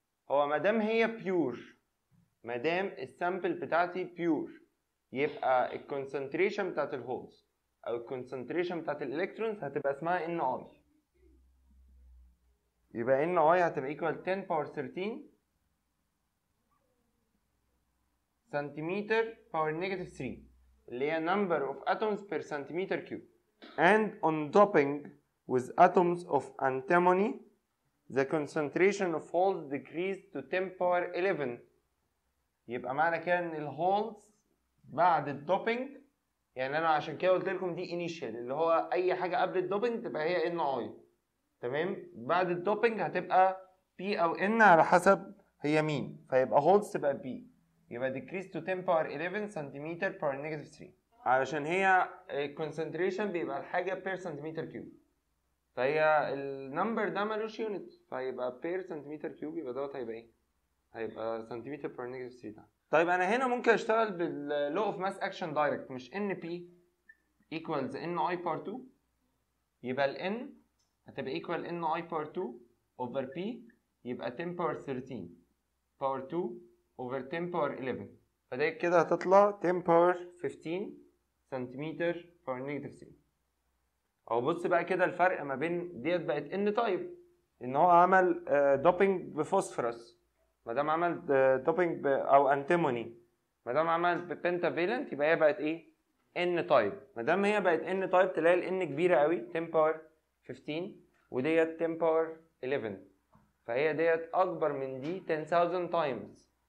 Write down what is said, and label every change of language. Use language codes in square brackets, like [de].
[ar] هو مادام هي pure, مادام السامبل بتاعتي pure, يبقى الconcentration بتاعت الholes أو الconcentration بتاعت الelectrons هتبقى اسمها ni. [en] يبقى ni هتبقى equal 10 power 13 centimeter power negative 3. [ar] اللي هي [en] number of atoms per centimeter cube. And on doping with atoms of antimony, the concentration of holes decreased to 10 power 11. [ar] يبقى معنى كده ان الholes بعد الدوبينج, يعني انا عشان كده قلت لكم دي initial اللي هو اي حاجة قبل الدوبينج تبقى هي ان اي, تمام؟ بعد الدوبينج هتبقى بي او ان على حسب هي مين, فيبقى holes تبقى بي, يبقى [en] decrease to 10 power 11 centimeter per negative 3, [ar] علشان هي concentration بيبقى الحاجة per centimeter cube, فهي النمبر ده مالوش unit, فهيبقى per centimeter cube, يبقى دوت هيبقى ايه؟ هيبقى centimeter per negative 3 ده. طيب انا هنا ممكن اشتغل بال [en] law of mass action direct, مش np equals ni power 2, يبقى ال n هتبقى equal ni power 2 over p, يبقى 10 power 13 power 2 [ar] over 10 power 11 فده كده هتطلع 10 power 15 سنتيمتر power negative 10 او بص بقى كده الفرق ما بين ديت بقت ان طيب ان هو عمل دوبينج بفوسفرس مادام عمل دوبينج او انتيموني مادام عمل بالبنتافيلنت يبقى هي بقت ايه ان طيب مادام هي بقت ان طيب تلاقي الان كبيره قوي 10 باور 15 وديت 10 باور 11 فهي ديت اكبر من دي 10000 تايمز